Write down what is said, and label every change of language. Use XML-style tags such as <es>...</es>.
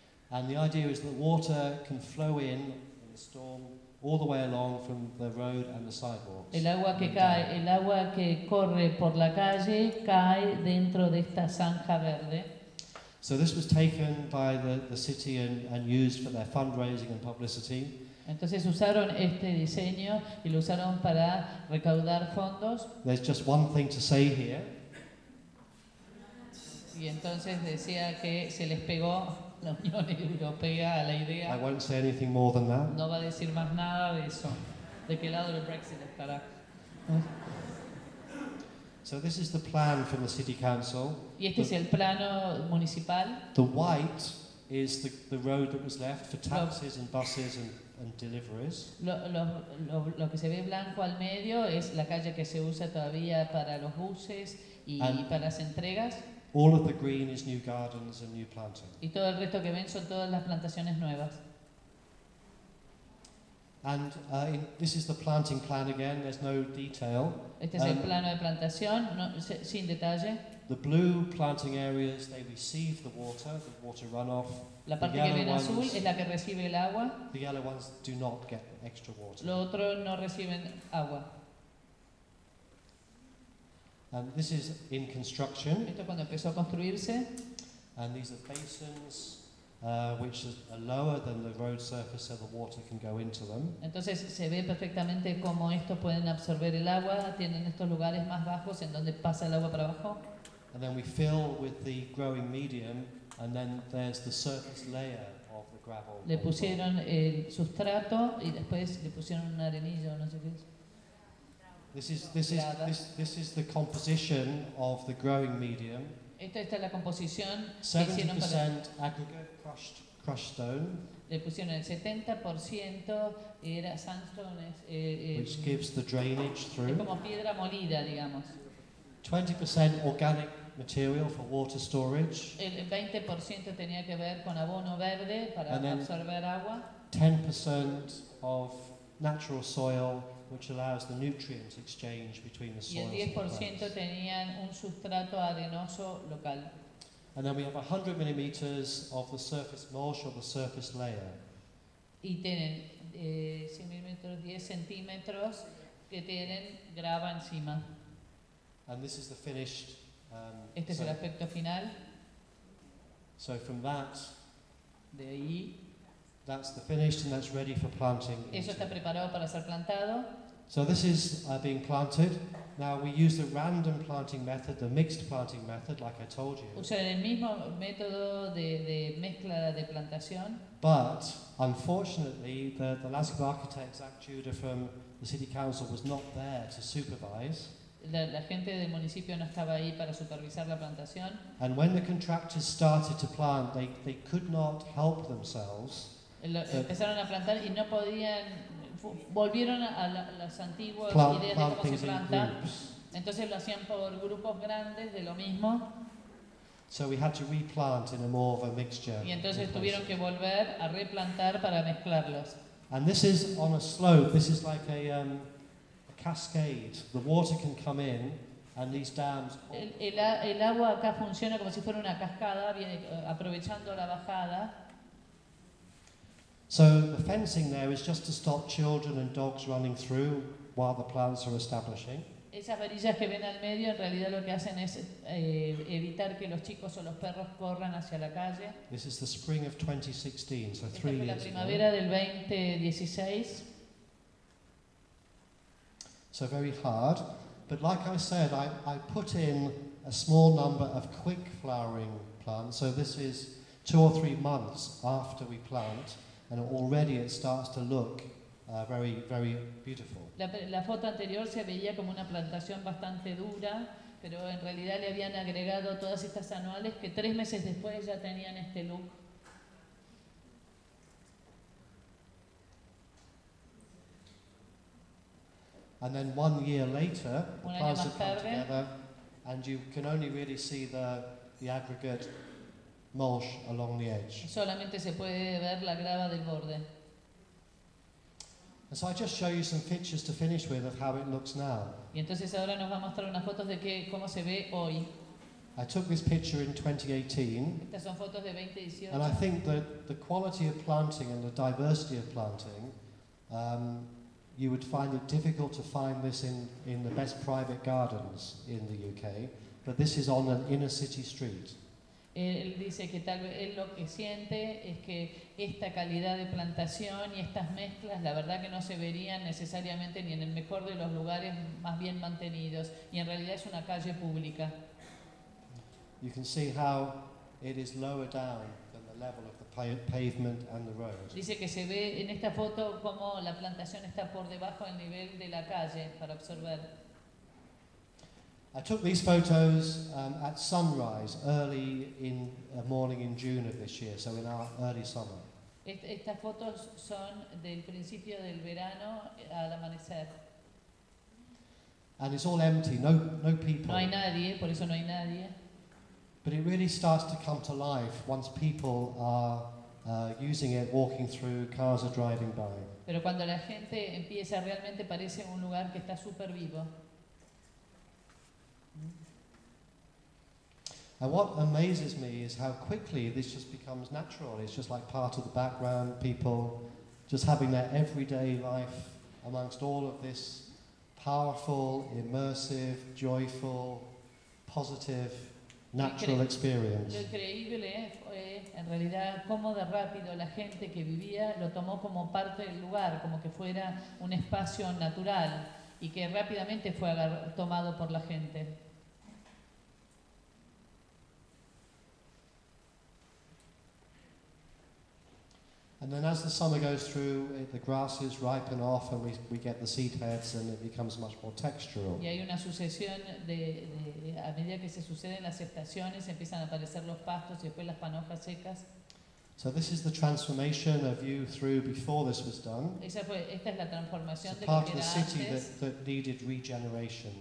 <en>And the idea is that water can flow in a storm all the way along from the road and the sidewalks.</en> <es>El agua que corre por la calle cae dentro de esta zanja verde.</es> <en>So this was taken by the city and used for their fundraising and publicity.</en> <es>Entonces usaron este diseño y lo usaron para recaudar fondos.</es> <en>There's just one thing to say here.</en> <es>Y entonces decía que se les pegó la Unión Europea a la idea.</es> <en>I won't say anything more than that.</en> <es>No va a decir más nada de eso. ¿De qué lado el Brexit estará?</es> <en>So this is the plan from the city council.</en> <es>Y este es el plano municipal.</es> <en>The white is the road that was left for taxis and buses and deliveries.</en> <es>Lo que se ve blanco al medio es la calle que se usa todavía para los buses y para las entregas.</es> <en>All of the green is new gardens and new planting.</en> <es>Y todo el resto que ven son todas las plantaciones nuevas.</es> <en>And this is the planting plan again. There's no detail.</en> <es>Este es el plano de plantación, sin detalle.</es> <en>The blue planting areas, they receive the water runoff.</en> <es>La parte que ven azul es la que recibe el agua.</es> <en>The yellow ones do not get extra water.</en> <es>Lo otro no reciben agua.</es> <en>And this is in construction.</en> <es>Esto cuando empezó a construirse.</es> <en>And these are basins. Which is lower than the road surface, so the water can go into them.</en> <es>Entonces se ve perfectamente cómo estos pueden absorber el agua. Tienen estos lugares más bajos en donde pasa el agua para abajo.</es> <en>And then we fill with the growing medium, and then there's the surface layer of the gravel.</en> <es>Le pusieron el sustrato y después le pusieron un arenillo, no sé qué es.</es> <en>This is the composition of the growing medium.</en> <es>Esta es la composición.</es> <en>70% aggregate crushed stone.</en> <es>Le pusieron el 70% era sandstone.</es> <en>Which gives the drainage through.</en> <es>Es como piedra molida, digamos.</es> <en>20% organic material for water storage.</en> <es>El 20% tenía que ver con abono verde para absorber agua.</es> <en>10% of natural soil, which allows the nutrients exchange between the soils.</en> <es>Y el 10% tenían un sustrato arenoso local.</es> <en>And then we have 100 millimeters of the surface mulch or the surface layer.</en> <es>Y tienen 100 millimeters, 10 centímetros que tienen grava encima.</es> <en>And this is the finished.</en> <es>Este es el aspecto final.</es> <en>So from that.</en> <es>De ahí.</es> <en>That's the finished and that's ready for planting.</en> <es>Eso está preparado para ser plantado.</es> <en>So this is being planted. Now we use the random planting method, the mixed planting method, like I told you.</en> <es>Usa el mismo método de mezcla de plantación.</es> <en>But unfortunately, the last architect, Zach Judah from the city council, was not there to supervise.</en> <es>La gente del municipio no estaba ahí para supervisar la plantación.</es> <en>And when the contractors started to plant, they could not help themselves.</en> <es>Empezaron a plantar y no podían. Volvieron a las antiguas ideas de cómo se planta. Entonces lo hacían por grupos grandes de lo mismo.</es> <en>So we had to replant in a more of a mixture.</en> <es>Y entonces tuvieron que volver a replantar para mezclarlos.</es> <en>And this is on a slope. This is like a cascade. The water can come in, and these dams.</en> <es>El agua acá funciona como si fuera una cascada, aprovechando la bajada.</es> <en>So the fencing there is just to stop children and dogs running through while the plants are establishing.</en> <es>Esas varillas que ven al medio, en realidad lo que hacen es evitar que los chicos o los perros corran hacia la calle.</es> <en>This is the spring of 2016, so 3 years ago.</en> <es>Esta fue la primavera del 2016.</es> <en>So very hard, but like I said, I put in a small number of quick flowering plants. So this is 2 or 3 months after we plant. And already it starts to look very, very beautiful.</en> <es>La foto anterior se veía como una plantación bastante dura, pero en realidad le habían agregado todas estas anuales que 3 meses después ya tenían este look.</es> <en>And then 1 year later, the plants have come together, and you can only really see the aggregate mulch along the edge.</en> <es>Solamente se puede ver la grava del borde.</es> <en>And so I just show you some pictures to finish with of how it looks now.</en> <es>Y entonces ahora nos va a mostrar unas fotos de qué cómo se ve hoy.</es> <en>I took this picture in 2018.</en> <es>Estas son fotos de 2018.</es> <en>And I think that the quality of planting and the diversity of planting, you would find it difficult to find this in the best private gardens in the UK. But this is on an inner city street.</en> <es>Él dice que tal vez él lo que siente es que esta calidad de plantación y estas mezclas, la verdad que no se verían necesariamente ni en el mejor de los lugares más bien mantenidos, y en realidad es una calle pública.</es> <en>You can see how it is lower down than the level of the pavement and the road.</en> <es>Dice que se ve en esta foto cómo la plantación está por debajo del nivel de la calle para absorber.</es> <en>I took these photos at sunrise, early in the morning in June of this year, so in our early summer.</en> <es>Estas fotos son del principio del verano al amanecer.</es> <en>And it's all empty, no people.</en> <es>No hay nadie, por eso no hay nadie.</es> <en>But it really starts to come to life once people are using it, walking through, cars are driving by.</en> <es>Pero cuando la gente empieza, realmente parece un lugar que está súper vivo.</es> <en>And what amazes me is how quickly this just becomes natural. It's just like part of the background, people just having their everyday life amongst all of this powerful, immersive, joyful, positive, natural experience.</en> <es>Lo increíble fue, en realidad, cómo de rápido la gente que vivía lo tomó como parte del lugar, como que fuera un espacio natural, y que rápidamente fue tomado por la gente.</es> <en>And then as the summer goes through, the grasses ripen off and we get the seed heads and it becomes much more textural.</en> <es>Y hay una sucesión de a medida que se suceden las estaciones, empiezan a aparecer los pastos y después las panojas secas.</es> <en>So this is the transformation of you through before this was done.</en> <es>Esta es la transformación</es> <en>de part of the city that needed regeneration.</en>